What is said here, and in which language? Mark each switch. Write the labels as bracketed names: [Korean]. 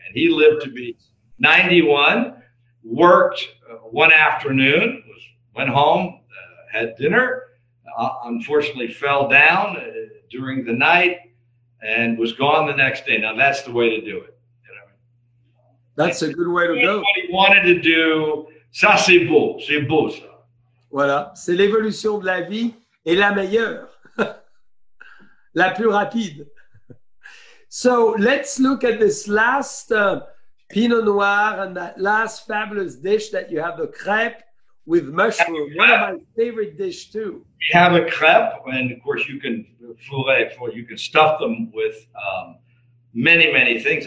[English] And he lived to be 91, worked one afternoon, went home, had dinner, unfortunately fell down during the night, and was gone the next day. Now that's the way to do it. You know? That's a good way to go. What he wanted to do, [French] ça c'est beau ça. Voilà, c'est l'évolution de la vie et la meilleure. La plus rapide. [English] So let's look at this last Pinot Noir and that last fabulous dish that you have, the crepe with mushroom. One of my favorite dish too. We have a crepe, and of course you can stuff them with many, many things.